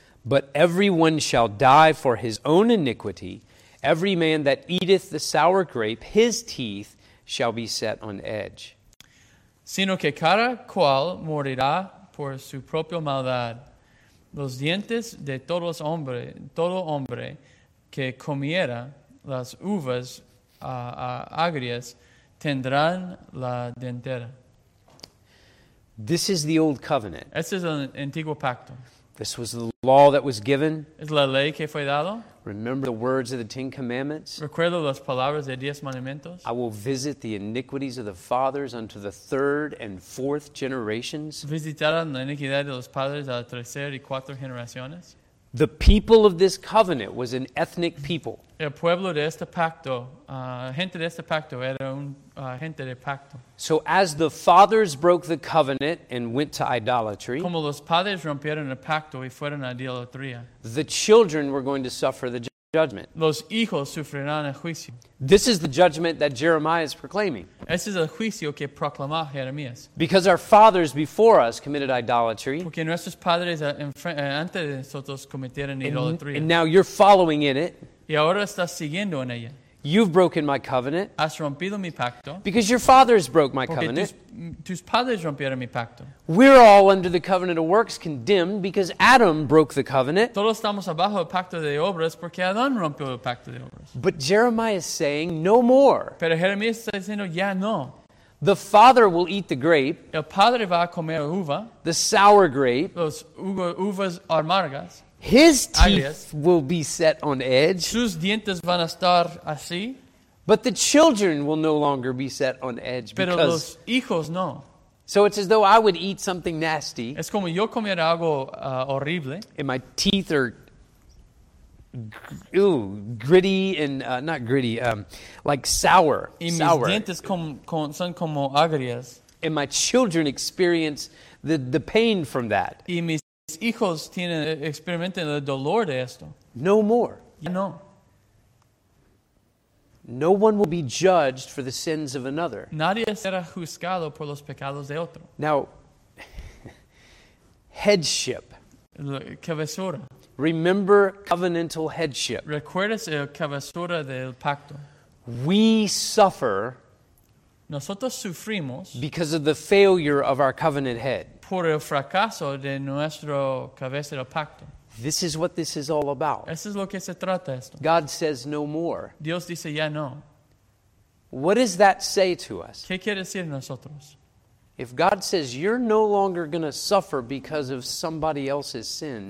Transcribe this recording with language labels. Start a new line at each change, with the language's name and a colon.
English: But everyone shall die for his own iniquity. Every man that eateth the sour grape, his teeth shall be set on edge.
Spanish: Sino que cada cual morirá por su propia maldad. Los dientes de todo hombre que comiera las uvas agrias tendrán la dentera.
English: This is the old covenant.
Spanish: Este es el antiguo pacto.
English: This was the law that was given.
Spanish: Es la ley que fue dado.
English: Remember the words of the Ten Commandments.
Spanish: Recuerdo las palabras de diez mandamientos.
English: I will visit the iniquities of the fathers unto the third and fourth generations.
Spanish: Visitarán la iniquidad de los padres a la tercera y cuatro generaciones.
English: The people of this covenant was an ethnic people.
Spanish: El pueblo de este pacto, gente de este pacto era un gente de pacto.
English: So as the fathers broke the covenant and went to idolatry,
Spanish: como los padres rompieron el pacto y fueron a idolatría,
English: the children were going to suffer the judgment.
Spanish: Los hijos sufrirán el juicio.
English: This is the judgment that Jeremiah is proclaiming.
Spanish: Este es el juicio que proclama Jeremías.
English: Because our fathers before us committed idolatry.
Spanish: Porque nuestros padres antes de nosotros cometieron idolatría.
English: And now you're following in it.
Spanish: Y ahora estás siguiendo en ella.
English: You've broken my covenant.
Spanish: Has rompido mi pacto.
English: Because your fathers broke my
Spanish: porque
English: covenant.
Spanish: Tus padres rompieron mi pacto.
English: We're all under the covenant of works, condemned because Adam broke the covenant.
Spanish: Todos estamos abajo del pacto de obras porque Adán rompió el pacto de obras.
English: But Jeremiah is saying no more.
Spanish: Pero Jeremías está diciendo ya no.
English: The father will eat the grape.
Spanish: El padre va a comer uva.
English: The sour grape.
Spanish: Los uvas amargas.
English: His teeth will be set on edge.
Spanish: Sus dientes van a estar así.
English: But the children will no longer be set on edge.
Spanish: Pero
English: because
Spanish: los hijos no.
English: So it's as though I would eat something nasty.
Spanish: Es como yo comiera algo horrible.
English: And my teeth are gritty and not gritty, like sour.
Spanish: Y mis
English: sour.
Spanish: Dientes son como agrias.
English: And my children experience the pain from that.
Spanish: Y mis hijos tienen experimentan el dolor de esto.
English: No more.
Spanish: No.
English: No one will be judged for the sins of another.
Spanish: Nadie será juzgado por los pecados de otro.
English: Now, headship.
Spanish: La cabezura.
English: Remember covenantal headship.
Spanish: Recuerdas el cabezura del pacto.
English: We suffer.
Spanish: Nosotros sufrimos.
English: Because of the failure of our covenant head.
Spanish: Por el fracaso de nuestro cabeza del pacto.
English: This is what this is all about.
Spanish: Eso es lo que se trata esto.
English: God says no more.
Spanish: Dios dice ya no.
English: What does that say to us?
Spanish: ¿Qué quiere decir nosotros?
English: If God says you're no longer going to suffer because of somebody else's sin.